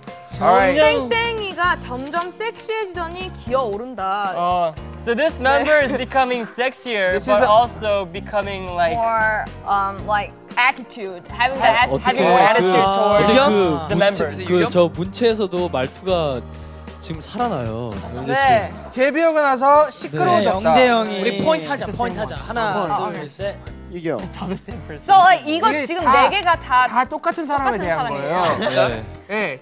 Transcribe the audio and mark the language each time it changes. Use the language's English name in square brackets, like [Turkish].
[Korean] 땡땡이가 점점 섹시해지더니 기어 오른다. [English] So this member is becoming sexier, but also becoming like more like attitude, having the attitude towards the members. [Korean] 그 저 문체에서도 말투가 지금 살아나요. 네. 데뷔하고 나서 시끄러워졌다. 네, 영재 형이. 우리 포인트 하자. 포인트 하자. 하나, 둘, 셋. 이겨. So 이거 지금 네 개가 다 똑같은 사람에 대한 거예요. 네.